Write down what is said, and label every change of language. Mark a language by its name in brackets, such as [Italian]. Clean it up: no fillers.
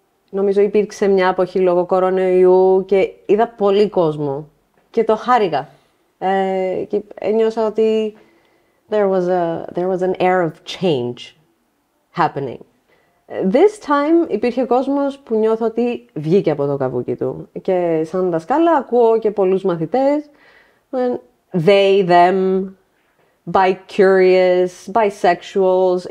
[Greek] Νομίζω υπήρξε μια εποχή λόγω κορονοϊού και είδα πολύ κόσμο. Και το χάρηκα. Και ένιωσα ότι [English] there was an air of change happening. This time [Greek] υπήρχε κόσμος που νιώθω ότι βγήκε από το καβούκι του. Και σαν δασκάλα ακούω και πολλούς μαθητές. [English] They, them, bi-curious, bisexuals.